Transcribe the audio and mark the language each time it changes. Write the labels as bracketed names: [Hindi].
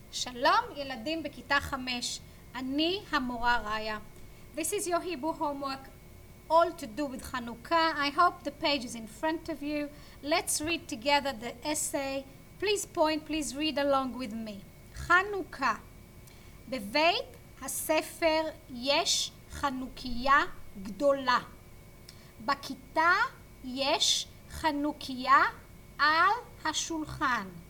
[Hebrew] שלום ילדים בכיתה 5, אני המורה ראיה. [English] This is your Hebrew homework, all to do with Hanukkah. I hope the page is in front of you. Let's read together the essay. Please point, please read along with me. [Hebrew] חנוכה. בבית הספר יש חנוכיה גדולה. בכיתה יש חנוכיה על השולחן.